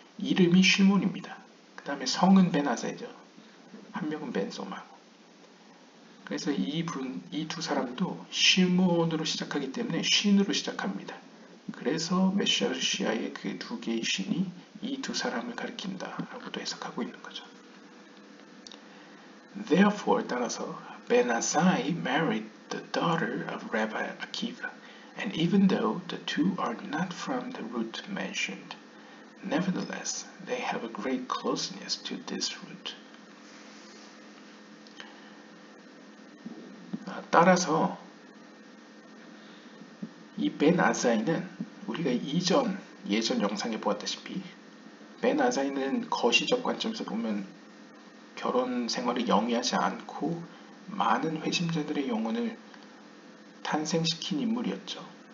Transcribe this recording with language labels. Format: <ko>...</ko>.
<ko>이름이 쉬몬입니다. 그 다음에 성은 베나세죠. 한 명은 벤소마고. 그래서 이두 사람도 쉬몬으로 시작하기 때문에 쉰으로 시작합니다. 그래서 메시아시아의 그두 개의 쉰이 이두 사람을 가리킨다라고도 해석하고 있는 거죠.</ko> <en>Therefore,</en> <ko>따라서</ko> <en>Benazai married the daughter of Rabbi Akiva, and even though the two are not from the root mentioned, nevertheless, they have a great closeness to this root.</en> <ko>따라서 이 베나자이는 우리가 예전 영상에 보았다시피 베나자이는 거시적 관점에서 보면 결혼 생활을 영위하지 않고 많은 회심자들의 영혼을 탄생시킨 인물이었죠.</ko>